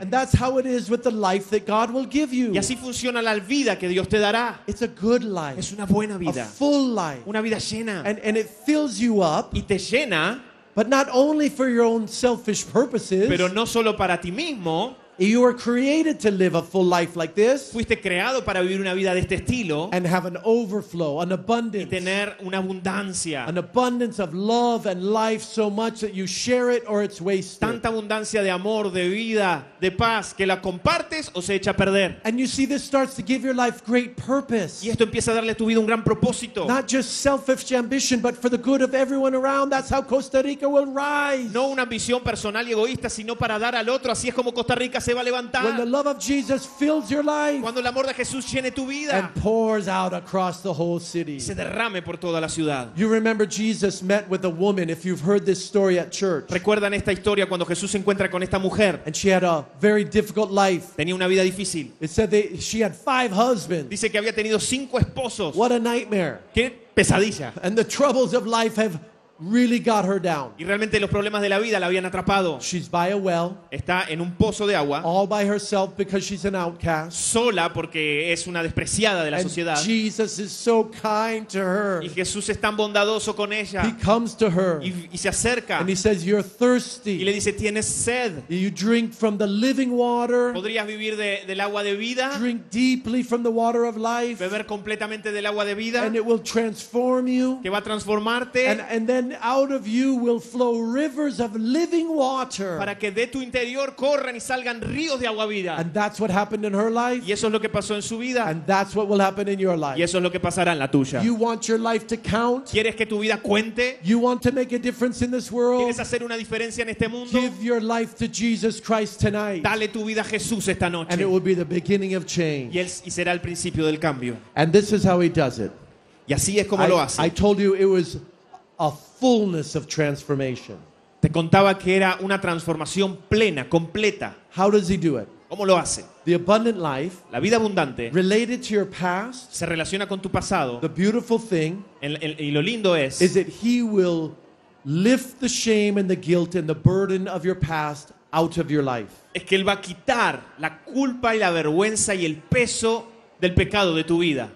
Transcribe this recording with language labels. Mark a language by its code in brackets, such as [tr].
[en] And that's how it is with the life that God will give you. [es] Y así funciona la vida que Dios te dará. [en] It's a good life. [es] Es una buena vida. [en] A full life. [es] Una vida llena. [en] And it fills you up. [es] Y te llena. [en] But not only for your own selfish purposes. [es] Pero no solo para ti mismo. [en] You were created to live a full life like this. [es] Fuiste creado para vivir una vida de este estilo. [en] And have an overflow, an abundance. [es] Y tener una abundancia. [en] An abundance of love and life so much that you share it or it's wasted. [es] Tanta abundancia de amor, de vida, de paz que la compartes o se echa a perder. [en] And you see this starts to give your life great purpose. [es] Y esto empieza a darle a tu vida un gran propósito. [en] Not just selfish ambition, but for the good of everyone around. That's how Costa Rica will rise. [es] No una ambición personal y egoísta, sino para dar al otro. Así es como Costa Rica se va a levantar. [en] When the love of Jesus fills your life, [es] cuando el amor de Jesús llene tu vida, [en] and pours out across the whole city, [es] se derrame por toda la ciudad. [en] You remember Jesus met with a woman, if you've heard this story at church. [es] Recuerdan esta historia cuando Jesús se encuentra con esta mujer. [en] And she had a very difficult life. [es] Tenía una vida difícil. [en] It said that she had five husbands. [es] Dice que había tenido cinco esposos. [en] What a nightmare. [es] Qué pesadilla. [en] And the troubles of life have really got her down. [es] Y realmente los problemas de la vida la habían atrapado. [en] She's by a well. [es] Está en un pozo de agua. [en] All by herself because she's an outcast. [es] Sola porque es una despreciada de la sociedad. [en] And Jesus is so kind to her. [es] Y Jesús es tan bondadoso con ella. [en] He comes to her. [es] Y se acerca. [en] And he says, "You're thirsty." [es] Y le dice, "Tienes sed." [en] You drink from the living water. [es] ¿Podrías vivir del agua de vida? [en] Drink deeply from the water of life. [es] Beber completamente del agua de vida. [en] And it will transform you. [es] Que va a transformarte. [en] And out of you will flow rivers of living water. [es] Para que de tu interior corran y salgan ríos de agua vida. [en] And that's what happened in her life. [es] Y eso es lo que pasó en su vida. [en] And that's what will happen in your life. [es] Y eso es lo que pasará en la tuya. [en] You want your life to count? [es] ¿Quieres que tu vida cuente? [en] You want to make a difference in this world? [es] ¿Quieres hacer una diferencia en este mundo? [en] Give your life to Jesus Christ tonight. [es] Dale tu vida a Jesús esta noche. [en] And it will be the beginning of change. [es] Y será el principio del cambio. [en] And this is how he does it. [es] Y así es como lo hace. [en] I told you it was a fullness of transformation. [es] Te contaba que era una transformación plena, completa. [en] How does he do it? [es] ¿Cómo lo hace? [en] The abundant life, [es] la vida abundante, [en] related to your past, [es] se relaciona con tu pasado. [en] The beautiful thing, [es] y lo lindo es, [en] is that he will lift the shame and the guilt and the burden of your past out of your life. [es] Es que él va a quitar la culpa y la vergüenza y el peso del pecado de tu vida.